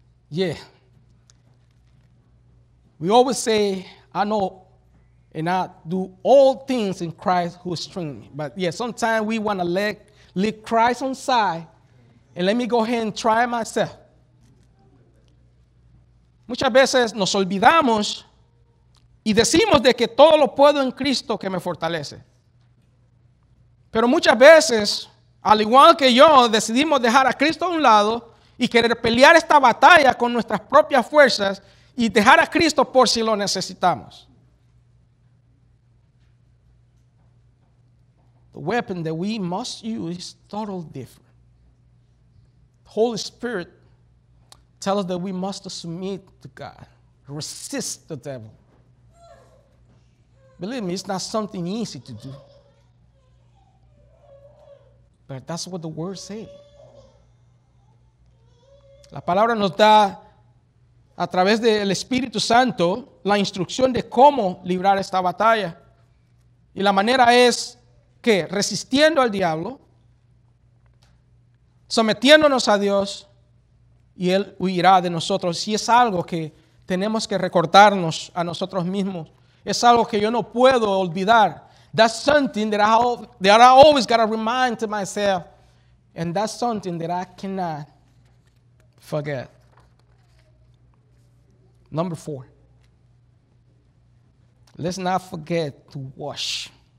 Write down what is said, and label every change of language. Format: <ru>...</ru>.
<en>Yeah. We always say, I know and I do all things in Christ who strengthens me. But yeah, sometimes we want to leave Christ on side and let me go ahead and try myself.</en> <es>Muchas veces nos olvidamos y decimos de que todo lo puedo en Cristo que me fortalece. Pero muchas veces, al igual que yo, decidimos dejar a Cristo a un lado y querer pelear esta batalla con nuestras propias fuerzas y dejar a Cristo por si lo necesitamos.</es> <en>The weapon that we must use is totally different. The Holy Spirit tells us that we must submit to God, resist the devil. Believe me, it's not something easy to do. That's what the word says.</en> <es>La palabra nos da a través del Espíritu Santo la instrucción de cómo librar esta batalla. Y la manera es que resistiendo al diablo, sometiéndonos a Dios, y Él huirá de nosotros. Si es algo que tenemos que recordarnos a nosotros mismos, es algo que yo no puedo olvidar.</es> <en>That's something that I always got to remind to myself. And that's something that I cannot forget. Number four. Let's not forget to wash.</en>